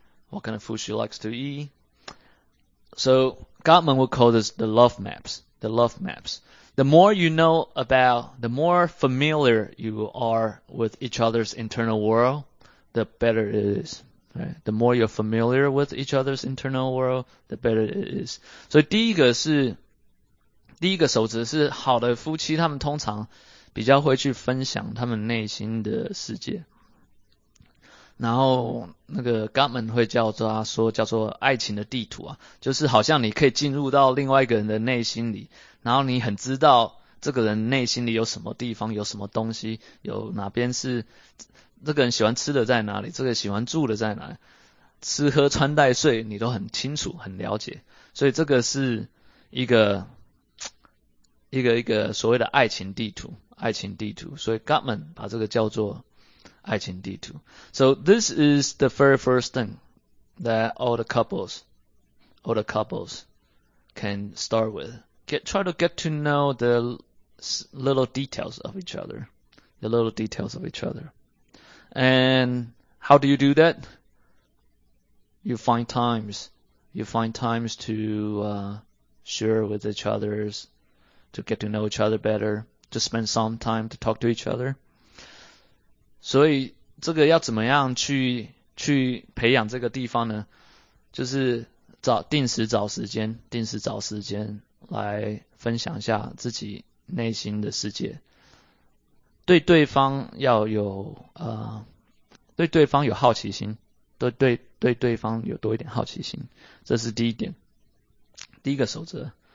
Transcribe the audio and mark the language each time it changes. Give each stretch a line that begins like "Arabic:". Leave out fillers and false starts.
English: What kind of food she likes to eat? So Gottman would call this the love maps. The love maps. The more you know about, the more familiar you are with each other's internal world, the better it is. Right? The more you're familiar with each other's internal world, the better it is.
Chinese: 所以第一个守则是好的夫妻，他们通常比较会去分享他们内心的世界。然后那个 Gottman 会叫做爱情的地图啊，就是好像你可以进入到另外一个人的内心里，然后你很知道这个人内心里有什么地方，有什么东西，有哪边是这个人喜欢吃的在哪里，这个喜欢住的在哪里，吃喝穿戴睡你都很清楚很了解，所以这个是一个所谓的爱情地图，爱情地图，所以 Gottman 把这个叫做。爱情地图。
English: So this is the very first thing that all the couples can start with. Try to get to know the little details of each other, the little details of each other. And how do you do that? You find times to share with each others, to get to know each other better, to spend some time to talk to each other.
Chinese: 所以这个要怎么样去培养这个地方呢？就是定时找时间来分享一下自己内心的世界，对对方有好奇心，对对方有多一点好奇心，这是第一点，第一个守则。